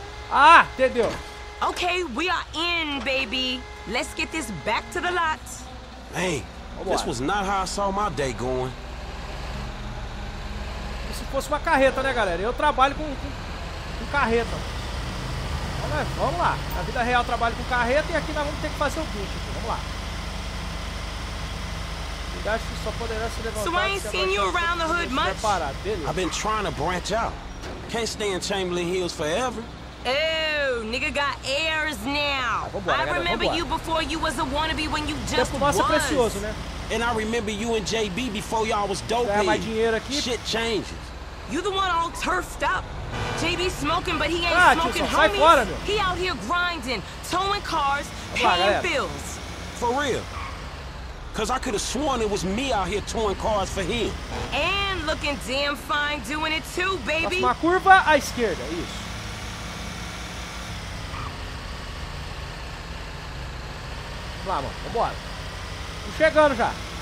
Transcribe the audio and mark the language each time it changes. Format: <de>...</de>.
<pt>Ah, entendeu.</pt> <en>Okay, we are in, baby. Let's get this back to the lot. Hey, this was not how I saw my day going.</en> <pt>Se fosse uma carreta, né, galera? Eu trabalho com carreta. Vamos lá. Na vida real eu trabalho com carreta e aqui nós vamos ter que fazer o bicho. Vamos lá.</pt> <en>So I ain't seen you around the hood much. I've been trying to branch out. Can't stay in Chamberlain Hills forever. Oh, nigga got airs now. I remember you before you was a wannabe when you just was. And I remember you and JB before y'all was dope. Shit changes. You the one all turfed up. JB smoking, but he ain't smoking homies. He out here grinding, towing cars, paying bills. For real. Cause I could have sworn it was me out here towing cars for him. And looking damn fine doing it too, baby.</en> <pt>Uma curva à esquerda, isso. Vamos lá, mano. Vambora. Tô chegando já.</pt>